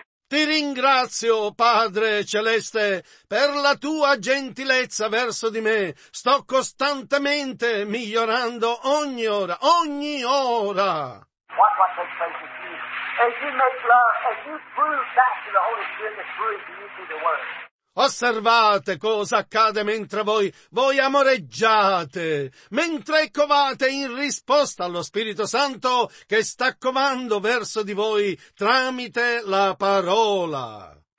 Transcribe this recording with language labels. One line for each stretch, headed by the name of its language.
Italian: Ti ringrazio, Padre Celeste, per la tua gentilezza verso di me. Sto costantemente migliorando ogni ora, ogni ora.
English: What takes place with you? As you make love, as you prove back to the Holy Spirit, that's true, you see the word.
Italian: Osservate cosa accade mentre voi amoreggiate, mentre covate in risposta allo Spirito Santo che sta covando verso di voi tramite la parola.